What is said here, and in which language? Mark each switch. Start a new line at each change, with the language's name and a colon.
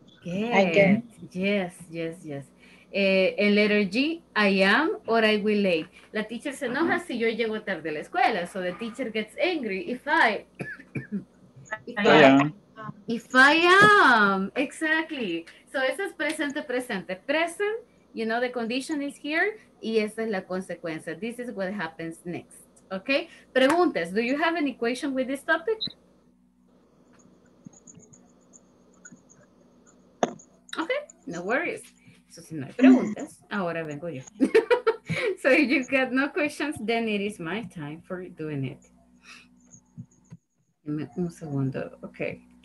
English: And letter G. I am or I will late.
Spanish: La teacher se enoja si yo llego tarde a la escuela.
English: So the teacher gets angry if I. If I am. Exactly. So this is presente. Present. You know the condition is here.
Spanish: Y esa es la consecuencia.
English: This is what happens next. Okay?
Spanish: Preguntas.
English: Do you have any question with this topic? Okay. No worries.
Spanish: So, si no hay preguntas, ahora vengo yo.
English: So, if you got no questions, then it is my time for doing it.
Spanish: Dame un segundo. Okay.